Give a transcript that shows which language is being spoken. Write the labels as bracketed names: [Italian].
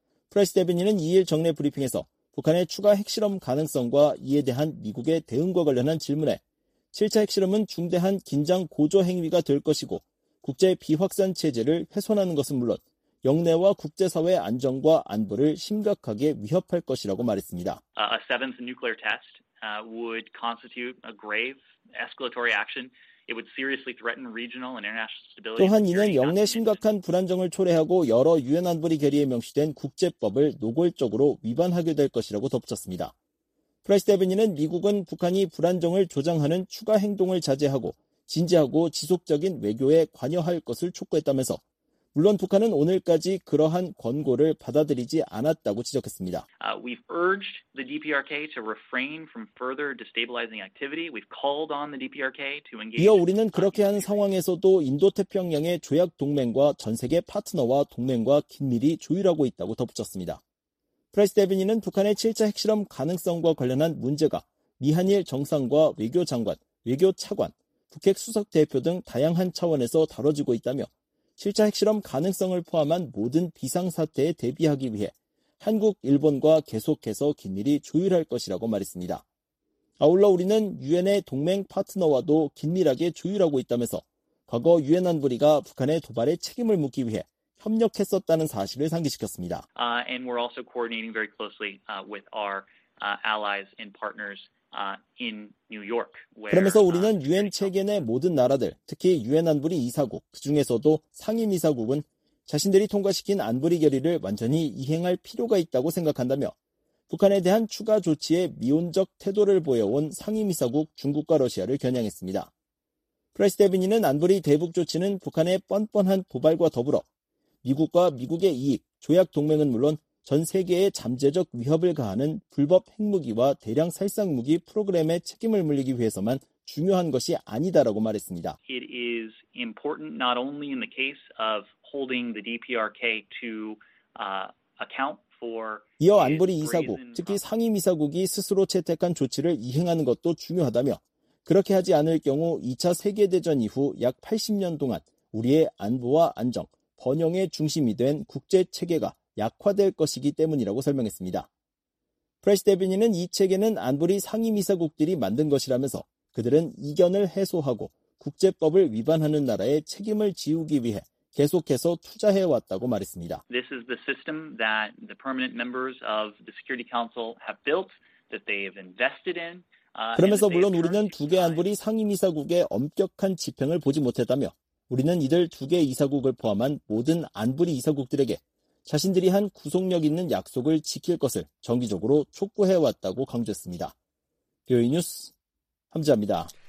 [Korean] 프라이스 대변인은 2일 정례 브리핑에서 북한의 추가 핵실험 가능성과 이에 대한 미국의 대응과 관련한 질문에 7차 핵실험은 중대한 긴장 고조 행위가 될 것이고 국제 비확산 체제를 훼손하는 것은 물론 영내와 국제사회 안정과 안보를 심각하게 위협할 것이라고 말했습니다. [English] A seventh nuclear test would constitute a grave escalatory action. It would seriously threaten regional and international stability. [Korean] 또한 이는 영내 심각한 불안정을 초래하고 여러 유엔 안보리 결의에 명시된 국제법을 노골적으로 위반하게 될 것이라고 덧붙였습니다. 프라이스 대변인은 미국은 북한이 불안정을 조장하는 추가 행동을 자제하고 진지하고 지속적인 외교에 관여할 것을 촉구했다면서 물론 북한은 오늘까지 그러한 권고를 받아들이지 않았다고 지적했습니다. [English] We've urged the DPRK to refrain from further destabilizing activity. We've called on the DPRK to engage. [Korean] 이어 우리는 그렇게 한 상황에서도 인도태평양의 조약 동맹과 전 세계 파트너와 동맹과 긴밀히 조율하고 있다고 덧붙였습니다. 프라이스 데빈이는 북한의 7차 핵실험 가능성과 관련한 문제가 미한일 정상과 외교장관, 외교차관, 북핵수석대표 등 다양한 차원에서 다뤄지고 있다며 7차 핵실험 가능성을 포함한 모든 비상사태에 대비하기 위해 한국, 일본과 계속해서 긴밀히 조율할 것이라고 말했습니다. 아울러 우리는 유엔의 동맹 파트너와도 긴밀하게 조율하고 있다면서 과거 유엔 안보리가 북한의 도발에 책임을 묻기 위해 협력했었다는 사실을 상기시켰습니다. [English] And we're also coordinating very closely with our allies and partners in New York. [Korean] 그러면서 우리는 유엔 체계 내 모든 나라들, 특히 유엔 안보리 이사국, 그중에서도 상임 이사국은 자신들이 통과시킨 안보리 결의를 완전히 이행할 필요가 있다고 생각한다며 북한에 대한 추가 조치에 미온적 태도를 보여온 상임 이사국 중국과 러시아를 겨냥했습니다. 프라이스 데빈이는 안보리 대북 조치는 북한의 뻔뻔한 도발과 더불어 미국과 미국의 이익, 조약 동맹은 물론 전 세계에 잠재적 위협을 가하는 불법 핵무기와 대량 살상 무기 프로그램에 책임을 물리기 위해서만 중요한 것이 아니다라고 말했습니다. [English] It is important not only in the case of holding the DPRK to account for [Korean] 이어 안보리 이사국, 특히 상임 이사국이 스스로 채택한 조치를 이행하는 것도 중요하다며 그렇게 하지 않을 경우 2차 세계 대전 이후 약 80년 동안 우리의 안보와 안정 번영의 중심이 된 국제 체계가 약화될 것이기 때문이라고 설명했습니다. 프레시 데빈이는 이 체계는 안보리 상임 이사국들이 만든 것이라면서 그들은 이견을 해소하고 국제법을 위반하는 나라의 책임을 지우기 위해 계속해서 투자해 왔다고 말했습니다. [English] This is the system that the permanent members of the Security Council have built that they have invested in. [Korean] 그러면서 물론 우리는 두 개 안보리 상임 이사국의 엄격한 집행을 보지 못했다며 우리는 이들 두 개 이사국을 포함한 모든 안보리 이사국들에게 자신들이 한 구속력 있는 약속을 지킬 것을 정기적으로 촉구해왔다고 강조했습니다. BOA 뉴스 함지아입니다.